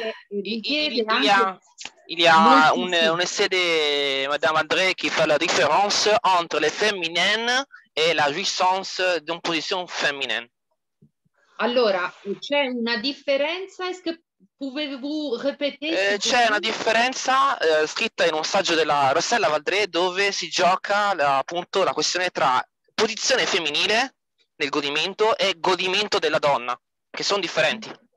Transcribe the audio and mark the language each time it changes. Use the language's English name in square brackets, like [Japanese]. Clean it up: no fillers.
[French] Il y a un essai de Madame André qui fait la différence entre le féminin et la jouissance d'une position féminine. [Italian] Allora, c'è una differenza? [French] Est-ce que pouvez-vous répéter? [Italian] C'è una differenza scritta in un saggio della Rossella Valdré dove si gioca appunto la questione tra posizione femminile nel godimento e godimento della donna, che sono differenti.